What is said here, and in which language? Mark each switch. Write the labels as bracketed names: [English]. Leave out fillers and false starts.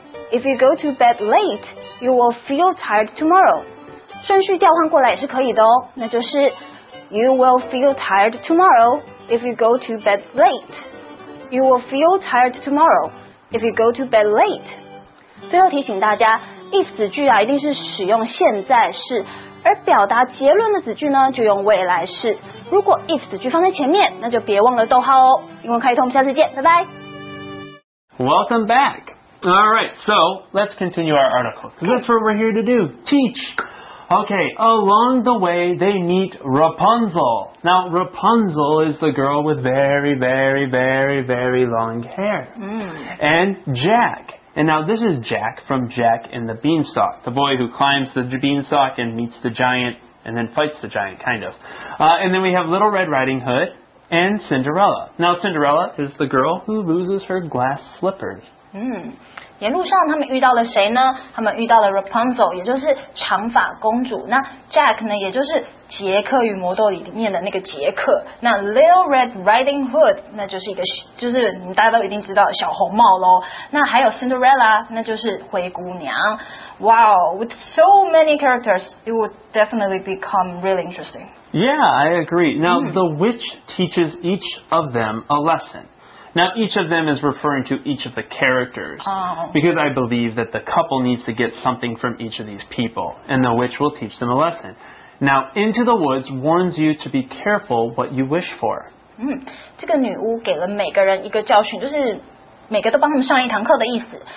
[English] If you go to bed late, you will feel tired tomorrow. [Chinese] 顺序调换过来也是可以的哦，那就是 [English] You will feel tired tomorrow if you go to bed late. You will feel tired tomorrow if you go to bed late. [Chinese] 最后提醒大家，if 子句啊一定是使用现在式，而表达结论的子句呢就用未来式。如果 if 子句放在前面，那就别忘了逗号哦。英文开通，我们下次见，拜拜。 [English] Welcome back. All right, so let's continue our article. Because that's what we're here to do. Teach. Okay, along the way, they meet Rapunzel. Now, Rapunzel is the girl with very, very, very, very long hair. And Jack. And now this is Jack from Jack and the Beanstalk, the boy who climbs the beanstalk and meets the giant and then fights the giant, kind of. And then we have Little Red Riding Hood and Cinderella. Now Cinderella is the girl who loses her glass slippers. [Chinese] 沿路上他们遇到了谁呢？他们遇到了 Rapunzel, 也就是长发公主。那 Jack 呢，也就是杰克与魔豆里面的那个杰克。那 Little Red Riding Hood, 那就是一个，就是你们大家都一定知道小红帽咯。那还有 Cinderella, 那就是灰姑娘。 [English] Wow, with so many characters, it would definitely become really interesting. Yeah, I agree. Now,the witch teaches each of them a lesson. Now, each of them is referring to each of the characters. Because I believe that the couple needs to get something from each of these people. And the witch will teach them a lesson. Now, Into the Woods warns you to be careful what you wish for. [Chinese] 这个女巫给了每个人一个教训，就是每个都帮他们上一堂课的意思。